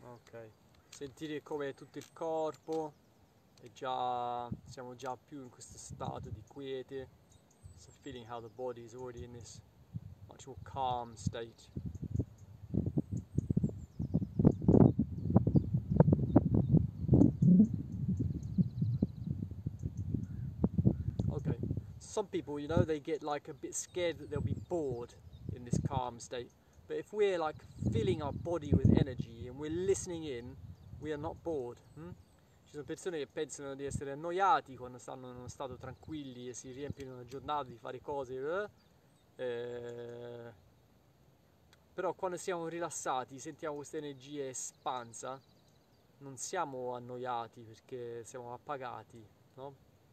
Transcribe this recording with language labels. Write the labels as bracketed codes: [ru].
[it] Ok, sentire come tutto il corpo è già, siamo già più in questo stato di quiete. [en] So feeling how the body is already in this much more calm state. Some people, you know, they get like a bit scared that they'll be bored. in this calm state. But if we're like filling our body with energy and we're listening in, we are not bored. [it] Ci sono persone che pensano di essere annoiati quando stanno in uno stato tranquilli e si riempiono la giornata di fare cose. Però quando siamo rilassati, sentiamo questa energia espansa, non siamo annoiati perché siamo appagati, no?